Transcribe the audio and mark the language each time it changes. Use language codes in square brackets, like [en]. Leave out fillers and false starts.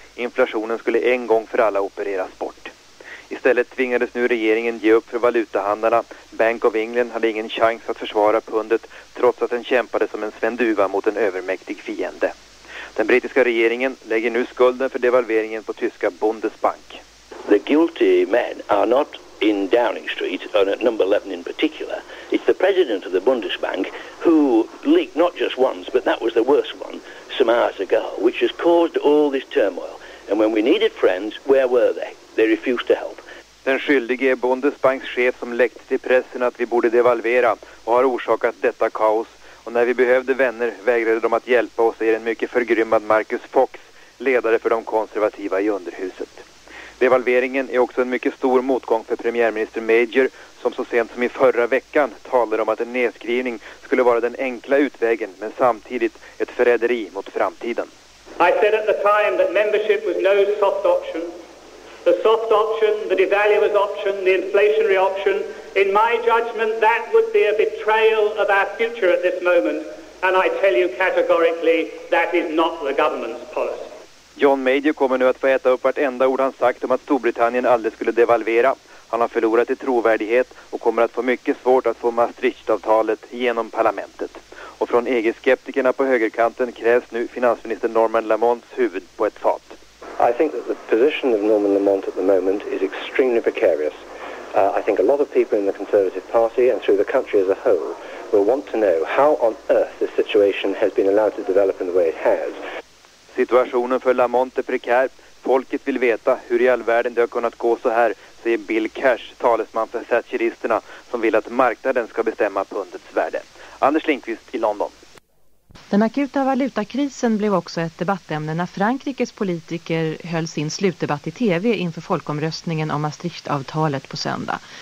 [sv] Inflationen skulle en gång för alla opereras bort. Istället tvingades nu regeringen ge upp för valutahandlarna. Bank of England hade ingen chans att försvara pundet trots att den kämpade som en svenduva mot en övermäktig fiende. Den brittiska regeringen lägger nu skulden för devalveringen på tyska Bundesbank. [en] The guilty men are not in Downing Street or at number 11 in particular. It's the president of the Bundesbank who leaked not just once, but that was the worst one, some hours ago, which has caused all this turmoil. And when we needed friends, where were they? They refused to help. [sv] Den skyldige är Bundesbanks chef som läckte till pressen att vi borde devalvera och har orsakat detta kaos. Och när vi behövde vänner vägrade de att hjälpa oss, säger en mycket förgrymmad Marcus Fox, ledare för de konservativa i underhuset. Devalveringen är också en mycket stor motgång för premiärminister Major, som så sent som i förra veckan talade om att en nedskrivning skulle vara den enkla utvägen, men samtidigt ett förräderi mot framtiden. [en] I said at the time that membership was no soft option. The soft option, the devaluers option, the inflationary option, in my judgment that would be a betrayal of our future at this moment. And I tell you categorically that is not the government's policy. [sv] John Major kommer nu att få äta upp vartenda ord han sagt om att Storbritannien aldrig skulle devalvera. Han har förlorat i trovärdighet och kommer att få mycket svårt att få Maastricht-avtalet genom parlamentet. Och från EG-skeptikerna på högerkanten krävs nu finansminister Norman Lamonts huvud på ett fat. [en] I think that the position of Norman Lamont at the moment is extremely precarious. I think a lot of people in the Conservative Party and through the country as a whole will want to know how on earth this situation has been allowed to develop in the way it has. [sv] Situationen för Lamont är prekär. Folket vill veta hur i all världen det har kunnat gå så här, säger Bill Cash, talesman för Thatcheristerna, som vill att marknaden ska bestämma pundets värde. Anders Lindqvist i London. Den akuta valutakrisen blev också ett debattämne när Frankrikes politiker höll sin slutdebatt i tv inför folkomröstningen om Maastrichtavtalet på söndag.